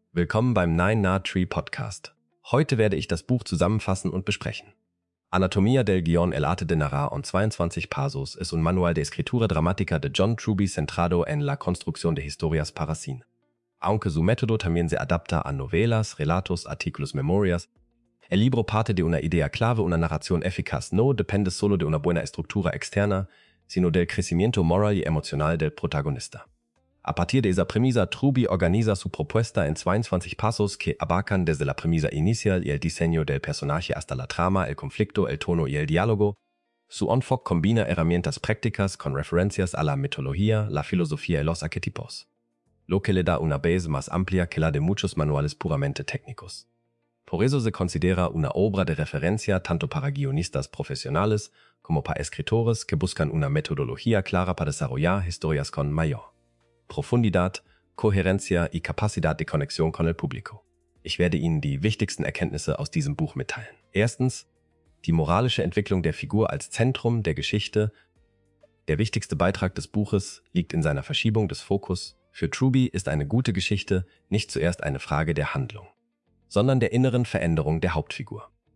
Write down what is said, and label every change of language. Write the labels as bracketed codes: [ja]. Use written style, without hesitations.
[de] Willkommen beim Nine Nar Tree Podcast. Heute werde ich das Buch zusammenfassen und besprechen. [es] Anatomia del Guion el Arte de Narrar und 22 Pasos ist un manual de escritura dramática de John Truby centrado en la construcción de historias para cine. Aunque su método también se adapta a novelas, relatos, artículos, memorias, el libro parte de una idea clave, una narración eficaz no depende solo de una buena estructura externa, sino del crecimiento moral y emocional del protagonista. A partir de esa premisa, Truby organiza su propuesta en 22 pasos que abarcan desde la premisa inicial y el diseño del personaje hasta la trama, el conflicto, el tono y el diálogo. Su enfoque combina herramientas prácticas con referencias a la mitología, la filosofía y los arquetipos, lo que le da una base más amplia que la de muchos manuales puramente técnicos. Por eso se considera una obra de referencia tanto para guionistas profesionales como para escritores que buscan una metodología clara para desarrollar historias con mayor Profundidad, Coherencia y Capacidad de Conexión con el Público. [de] Ich werde Ihnen die wichtigsten Erkenntnisse aus diesem Buch mitteilen. Erstens, die moralische Entwicklung der Figur als Zentrum der Geschichte. Der wichtigste Beitrag des Buches liegt in seiner Verschiebung des Fokus. Für Truby ist eine gute Geschichte nicht zuerst eine Frage der Handlung, sondern der inneren Veränderung der Hauptfigur.